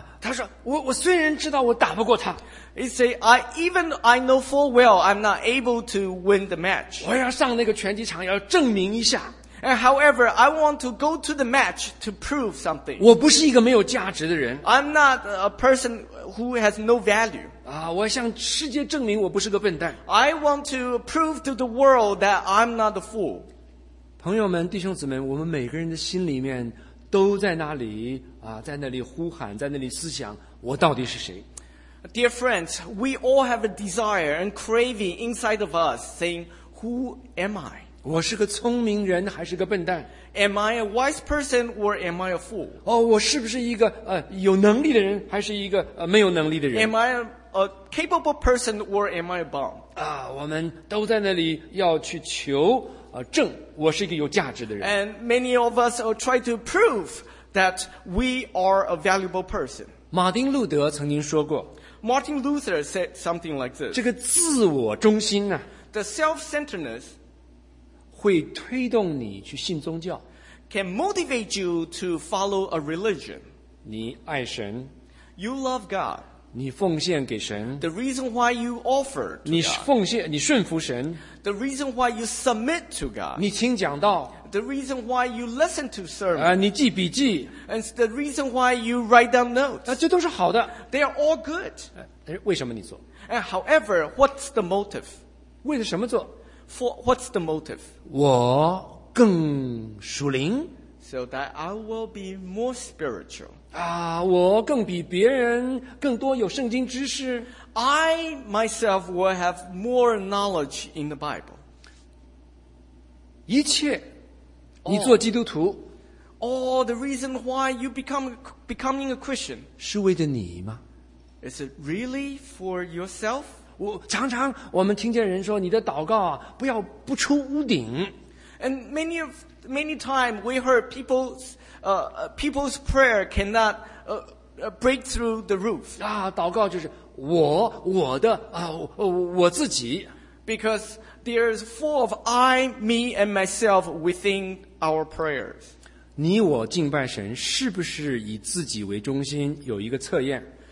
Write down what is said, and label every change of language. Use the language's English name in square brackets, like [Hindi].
[Chinese] 他说我虽然知道我打不过他。 [English] He say, I know full well I'm not able to win the match. [Chinese] 我要上那个拳击场要证明一下。 [English] And however, I want to go to the match to prove something. [Chinese] 我不是一个没有价值的人。 [English] I'm not a person who has no value. [Chinese] 我向世界证明我不是个笨蛋。 [English] I want to prove to the world that I'm not a fool. [Chinese] 朋友们，弟兄姊妹，我们每个人的心里面都在那里在那里呼喊，在那里思想，我到底是谁 [English] ？Dear friends, we all have a desire and craving inside of us, saying, "Who am I?" [Chinese] 我是个聪明人还是个笨蛋 [English] ？Am I a wise person or am I a fool? [Chinese] 我是不是一个有能力的人，还是一个没有能力的人 [English] ？Am I a capable person or am I a bum? [Chinese] 我们都在那里要去求。证我是一个有价值的人。 [English] And many of us are trying to prove that we are a valuable person. [Chinese] 马丁路德曾经说过。 [English] Martin Luther said something like this. [Chinese] 这个自我中心呢。 [English] The self-centeredness [Chinese] 会推动你去信宗教。 [English] Can motivate you to follow a religion. [Chinese] 你爱神。 [English] You love God. [Chinese] 你奉献给神。 [English] The reason why you offer to God. [Chinese] 你奉献，你顺服神。 [English] The reason why you submit to God. [Chinese] 你听讲道。 [English] The reason why you listen to sermon. [Chinese] 你记笔记。 [English] And the reason why you write down notes. [Chinese] 这都是好的。 [English] They are all good. [Chinese] 为什么你做？ [English] And however, what's the motive? [Chinese] 为了什么做？ [English] For what's the motive? [Chinese] 我更属灵。 [English] So that I will be more spiritual. [Chinese] 我更比别人更多有圣经知识。 [English] I myself will have more knowledge in the Bible. [Chinese] 一切，你做基督徒。 [English] All the reason why you becoming a Christian. [Chinese] 是为了你吗？ [English] Is it really for yourself? [Chinese] 常常我们听见人说你的祷告啊，不要不出屋顶。 [English] And many times we heard people's prayer cannot break through the roof. [Chinese] 祷告就是。我的我自己 [English] because there is four of I, me and myself within our prayers. [Chinese] 你我敬拜神是不是以自己为中心有一个测验